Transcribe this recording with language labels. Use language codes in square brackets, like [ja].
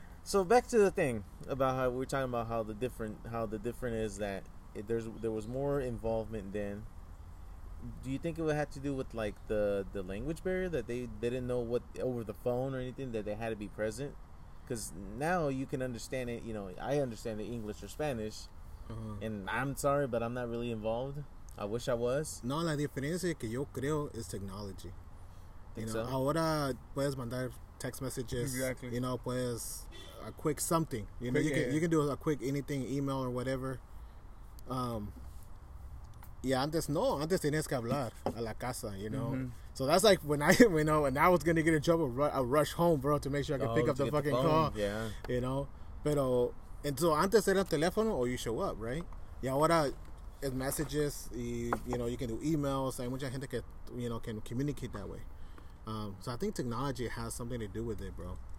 [en] So back to the thing about how we're talking about how the different is that there was more involvement then. Do you think it would have to do with like the language barrier that they didn't know what over the phone or anything that they had to be present? Because now you can understand it. You know, I understand the English or Spanish. Uh-huh. And I'm sorry, but I'm not really involved. I wish I was. [es] No, la diferencia que yo creo es technology. [en] Think you know, so? [es] Ahora puedes mandar text messages. [en] Exactly. You know, [es] puedes [en] a quick something. You know, you can do a quick anything, email or whatever. [es] Yeah, antes tenías que hablar a la casa. [en] You know, mm-hmm. So that's like when I was gonna get in trouble. I rush home, bro, to make sure I can pick up the fucking call. Yeah. You know, pero. And so, [es] antes era teléfono [en] or you show up, right? [es] Y ahora es [en] messages, you know, you can do emails. [es] Hay mucha gente que, [en] you know, can communicate that way. So, I think technology has something to do with it, bro.